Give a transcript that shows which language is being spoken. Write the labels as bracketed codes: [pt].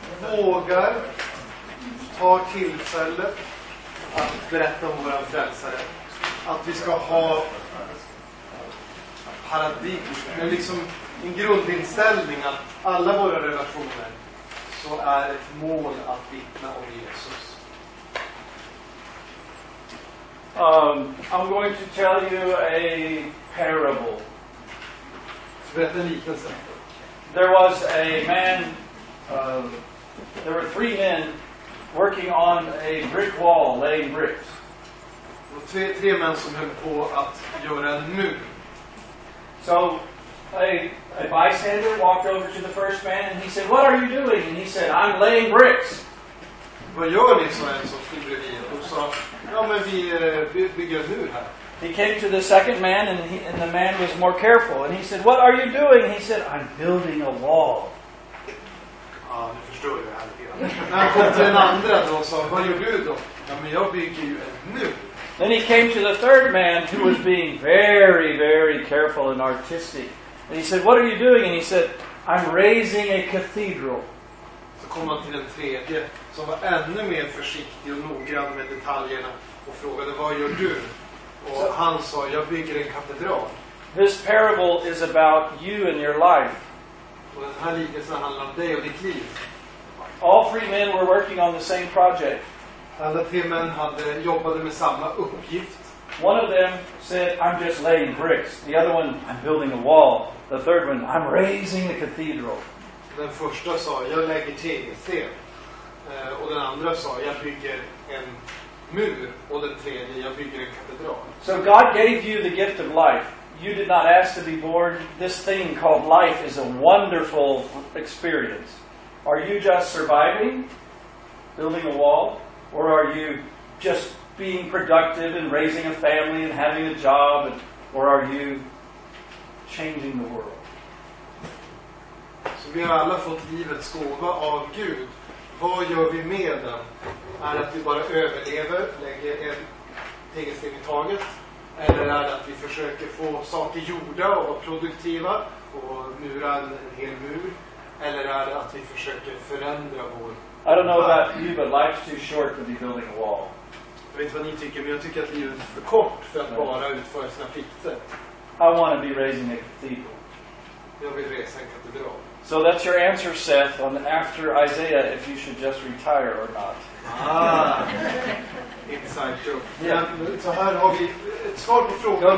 [sv] Och vågar ta tillfället att berätta om våran frälsare, att vi ska ha paradigm, men liksom en grundinställning att alla våra relationer så är ett mål att vittna om Jesus. [en] I'm going to tell you a parable. [sv] Berätta en liknelse. [en] There was a man, there were three men working on a brick wall, laying bricks. [sv] Tre män som höll på att göra en mur. [en] So a bystander walked over to the first man and he said, "What are you doing?" And he said, "I'm laying bricks." [sv] Vad gör ni, sa en som stod bredvid? Och sa, ja men vi bygger en mur här. [en] He came to the second man, and the man was more careful. And he said, "What are you doing?" He said, "I'm building a wall." [sv] Nu förstår jag det här. Han kom till den andra då och sa, "Vad gör du då?" Ja, men jag bygger ju en mur. [en] Then he came to the third man, who was being very, very careful and artistic. And he said, "What are you doing?" And he said, "I'm raising a cathedral." [sv] Så kom han till den tredje, som var ännu mer försiktig och noggrann med detaljerna, och frågade, "Vad gör du?" Och han sa, "Jag bygger en katedral." [en] This parable is about you and your life. [sv] Och den här liknelsen handlar om dig och ditt liv. [en] All three men were working on the same project. [sv] Alla tre män jobbade med samma uppgift. [en] One of them said, "I'm just laying bricks." The other one, "I'm building a wall." The third one, "I'm raising a cathedral." [sv] Den första sa, "Jag lägger tegelsten." Och den andra sa, "Jag bygger en mur." Och den tredje, "Jag bygger en katedral." [en] So God gave you the gift of life. You did not ask to be born. This thing called life is a wonderful experience. Are you just surviving, building a wall? Or are you just being productive and raising a family and having a job? Or are you changing the world? [sv] Så vi har alla fått livets gåva av Gud. Vad gör vi med den? Är att vi bara överlever, lägger en tegelsten i taget? Eller är det att vi försöker få saker gjorda och vara produktiva och mura en hel mur? Eller är det att vi försöker förändra vår... [en] I don't know about you, but life's too short to be building a wall. [sv] Jag vet inte vad ni tycker, men jag tycker att livet är för kort för att bara utföra sina plikter. [en] I want to be raising a cathedral. [sv] Jag vill resa en katedral. [en] So that's your answer, Seth, on after Isaiah, if you should just retire or not. Inside joke. [sv] Yeah. Så här har vi ett svar på frågan.